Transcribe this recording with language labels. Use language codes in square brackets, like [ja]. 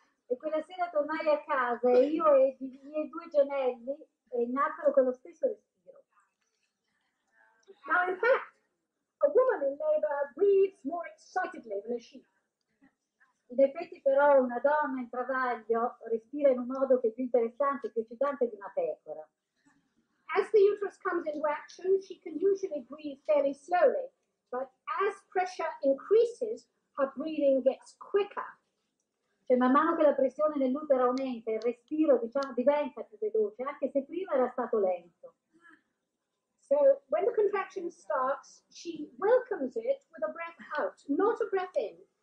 [it] E quella sera tornai a casa e io e i miei due gemelli nacquero con lo stesso respiro. [en] Now in fact, a woman in labor breathes more excitedly than a sheep. [it] In effetti però una donna in travaglio respira in un modo che è più interessante e più eccitante di una pecora. [en] As the uterus comes into action, she can usually breathe fairly slowly, but as pressure increases, her breathing gets quicker. [it] Cioè, man mano che la pressione nell'utero aumenta, il respiro, diciamo, diventa più veloce, anche se prima era stato lento. [en] So, when the contraction starts, she welcomes it with a breath out, not a breath in.